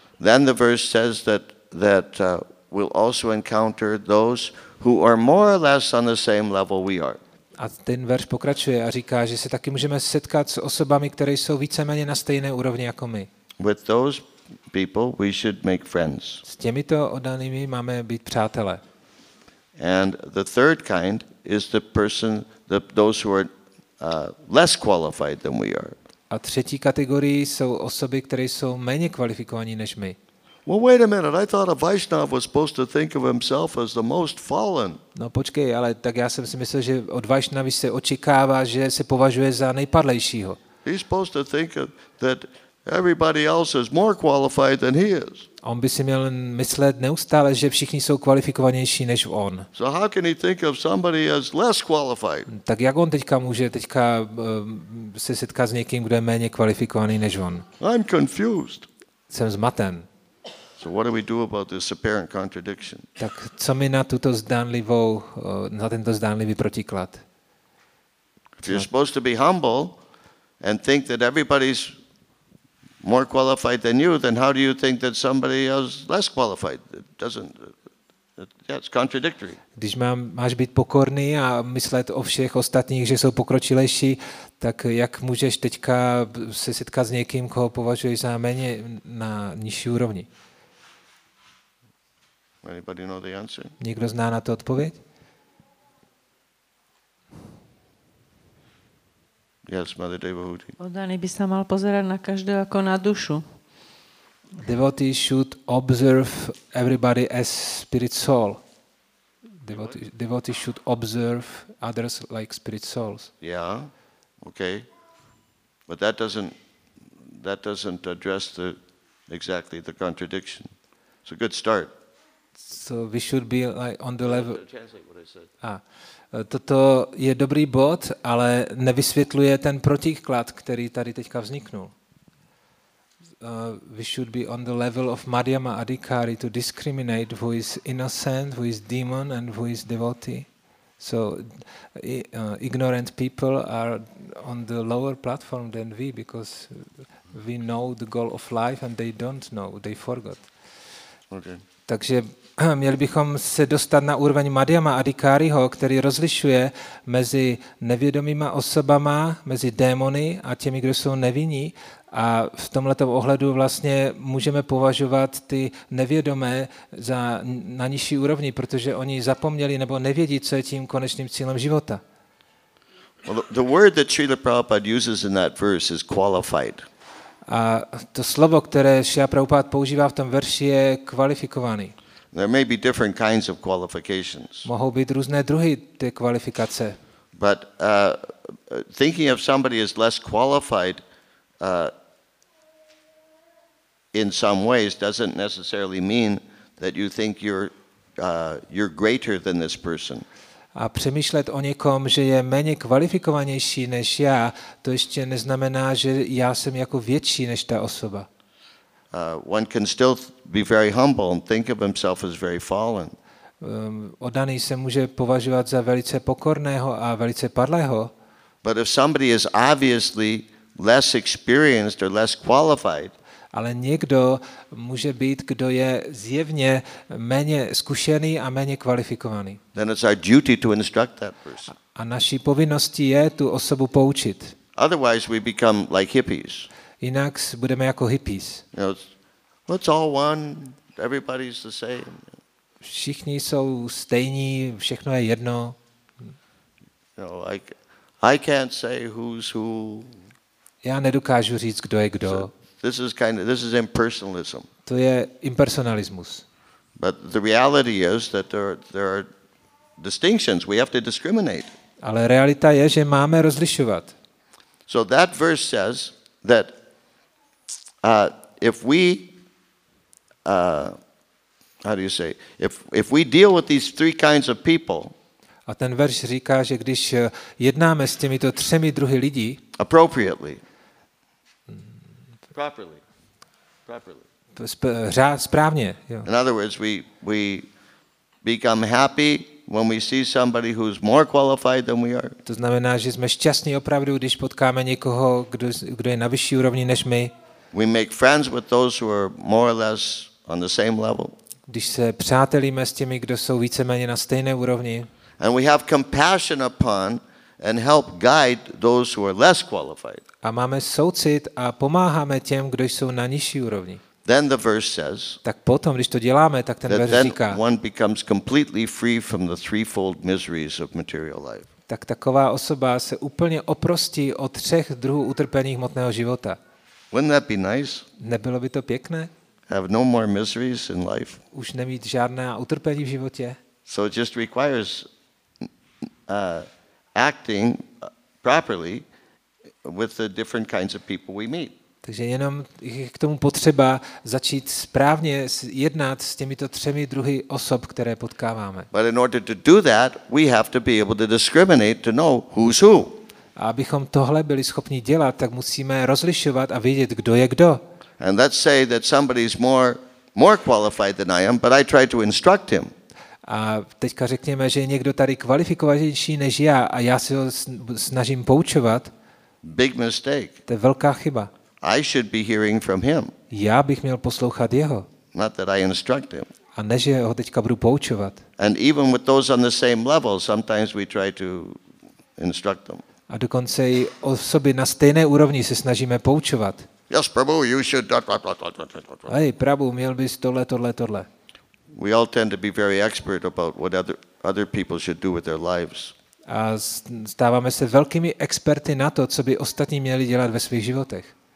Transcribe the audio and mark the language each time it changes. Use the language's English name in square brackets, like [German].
[English] Then the verse says that we'll also encounter those who are more or less on the same level we are. [Czech] A ten verš pokračuje a říká, že se taky můžeme setkat s osobami, které jsou víceméně na stejné úrovni jako my. [English] With those people we should make friends. [Czech] S těmito oddanými máme být přátelé. [English] And the third kind is the person those who are less qualified than we are. [Czech] A třetí kategorii jsou osoby, které jsou méně kvalifikovaní než my. [English] Well, wait a minute. I thought a Vaishnava was supposed to think of himself as the most fallen. [Czech] No počkej, ale tak já jsem si myslel, že od Vaishnavy se očekává, že se považuje za nejpadlejšího. [English] He's supposed to think that everybody else is more qualified than he is. [Czech] On by si měl myslet neustále, že všichni jsou kvalifikovanější než on. [English] So how can he think of somebody as less qualified? [Czech] Tak jak on teďka může teďka se setkat s někým, kdo je méně kvalifikovaný než on? [English] I'm confused. [Czech] Jsem zmaten. [English] So what do we do about this apparent contradiction? [Czech] Tak co mi na tuto zdánlivou, na tento zdánlivý protiklad? [English] If you're supposed to be humble and think that everybody's more qualified than you, then how do you think that somebody else less qualified? It doesn't. Yeah, it's contradictory. [Czech] Když máš být pokorný a myslet o všech ostatních, že jsou pokročilejší, tak jak můžeš teďka se setkat s někým, koho považuješ za méně na nižší úrovni? [English] Anybody know the answer? [Czech] Někdo zná na to odpověď? [English] Yes, Mother Devotee. [Slovak] Oddaný by sa mal pozerať na každého ako na dušu. [English] Devotee should observe everybody as spirit soul. Devotee should observe others like spirit souls. Yeah, okay. But that doesn't address the exactly the contradiction. It's a good start. So we should be like on the level. Translate what I said. [Czech] Toto je dobrý bod, ale nevysvětluje ten protiklad, který tady teďka vzniknul. [English] We should be on the level of Madhyama Adhikari to discriminate who is innocent, who is demon and who is devotee. So ignorant people are on the lower platform than we because we know the goal of life and they don't know, they forgot. Okay. [Czech] Takže měli bychom se dostat na úroveň Madhyama Adhikariho, který rozlišuje mezi nevědomýma osobama, mezi démony a těmi, kdo jsou nevinní. A v tomto ohledu vlastně můžeme považovat ty nevědomé za na nižší úrovni, protože oni zapomněli nebo nevědí, co je tím konečným cílem života. [English] Well, the word that Srila Prabhupada uses in that verse is qualified. [Czech] A to slovo, které Srila Prabhupada používá v tom verši, je kvalifikovaný. [English] There may be different kinds of qualifications. [Czech] Mohou být různé druhy té kvalifikace. [English] But thinking of somebody as less qualified in some ways doesn't necessarily mean that you think you're greater than this person. [Czech] A přemýšlet o někom, že je méně kvalifikovanější než já, to ještě neznamená, že já jsem jako větší než ta osoba. [English] One can still be very humble and think of himself as very fallen. [Czech] Oddaný se může považovat za velice pokorného a velice padlého. [English] But if somebody is obviously less experienced or less qualified, [Czech] ale někdo může být, kdo je zjevně méně zkušený a méně kvalifikovaný. [English] Then it's our duty to instruct that person. [Czech] A naší povinností je tu osobu poučit. [English] Otherwise we become like hippies. [Czech] Jinak budeme jako hippies. [English] You know, it's all one, everybody's the same. [Czech] Všichni jsou stejní, všechno je jedno. [English] You know, I can't say who's who. [Czech] Já nedokážu říct, kdo je kdo. [English] This is impersonalism. [Czech] To je impersonalismus. [English] But the reality is that there are distinctions. We have to discriminate. [Czech] Ale realita je, že máme rozlišovat. [English] So that verse says that if we deal with these three kinds of people, [Czech] a ten verš říká, že když jednáme s těmito třemi druhy lidí [English] appropriately, [Czech] správně, jo. [English] In other words, we become happy when we see somebody who's more qualified than we are. [Czech] To znamená, že jsme šťastní opravdu, když potkáme někoho, kdo je na vyšší úrovni než my. [English] We make friends with those who are more or less on the same level. [Czech] Když se přátelíme s těmi, kdo jsou víceméně na stejné úrovni. [English] And we have compassion upon and help guide those who are less qualified. [Czech] A máme soucit a pomáháme těm, kdo jsou na nižší úrovni. [English] Then the verse says. [Czech] Tak potom, když to děláme, tak ten verš říká. [English] Then one becomes completely free from the threefold miseries of material life. [Czech] Tak taková osoba se úplně oprostí od třech druhů utrpení hmotného života. [English] Wouldn't that be nice? [Czech] Nebylo by to pěkné? [English] Have no more miseries in life. [Czech] Už nemít žádné utrpení v životě. [English] So it just requires acting properly with the different kinds of people we meet. [Czech] Takže jenom je k tomu potřeba začít správně jednat s těmito třemi druhy osob, které potkáváme. [English] But in order to do that, we have to be able to discriminate to know who's who. [Czech] A abychom tohle byli schopni dělat, tak musíme rozlišovat a vědět, kdo je kdo. [English] And let's say that somebody is more qualified than I am, but I try to instruct him. [Czech] A teďka řekněme, že je někdo tady kvalifikovanější než já a já se ho snažím poučovat. [English] Big mistake. [Czech] To je velká chyba. [English] I should be hearing from him. [Czech] Já bych měl poslouchat jeho. [English] Not that I instruct him. [Czech] A ne, že ho teďka budu poučovat. [English] And even with those on the same level, sometimes we try to instruct them. [Czech] A dokonce i osoby na stejné úrovni se snažíme poučovat. [English] Yes, Prabhu, you should. [Czech] Hey, Prabhu, měl bys tohle. [English] We all tend to be very expert about what other people should do with their lives. [Czech] A stáváme se velkými experty na to, co by ostatní měli dělat ve svých životech.